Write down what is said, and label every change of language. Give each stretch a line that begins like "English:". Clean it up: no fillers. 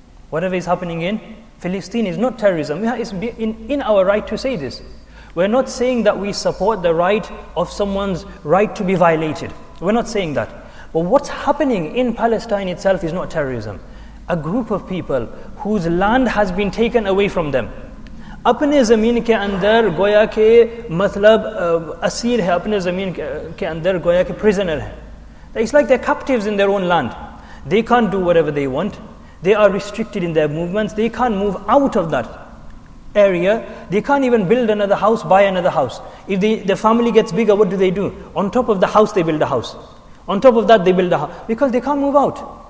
English: Whatever is happening in Palestine is not terrorism. It's in our right to say this. We're not saying that we support the right of someone's right to be violated. We're not saying that. But what's happening in Palestine itself is not terrorism. A group of people whose land has been taken away from them.
Urdu: اپنے زمین کے اندر گویا کے مطلب اسیر ہے, اپنے زمین کے اندر گویا کے prisoner ہے.
English: It's like they're captives in their own land. They can't do whatever they want. They are restricted in their movements. They can't move out of that area. They can't even build another house, buy another house. If the family gets bigger, what do? On top of the house, they build a house. On top of that, they build a house. Because they can't move out.